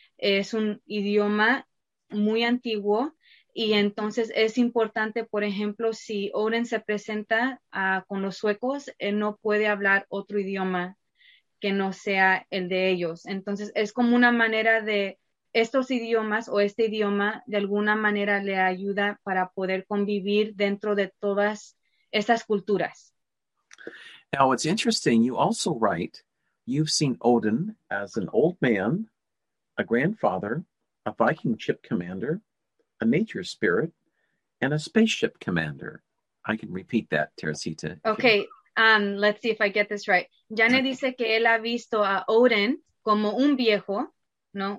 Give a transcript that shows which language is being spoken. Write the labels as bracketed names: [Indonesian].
[Spanish] Es un idioma muy antiguo. Y entonces es importante, por ejemplo, si Odin se presenta con los suecos, él no puede hablar otro idioma que no sea el de ellos. Entonces es como una manera de estos idiomas o este idioma de alguna manera le ayuda para poder convivir dentro de todas estas culturas. [English] Now it's interesting, you also write, you've seen Odin as an old man, a grandfather, a Viking ship commander, a nature spirit, and a spaceship commander. I can repeat that, Teresita. Okay, let's see if I get this right. [Spanish] Janne dice que él ha visto a Odin como un viejo, ¿no?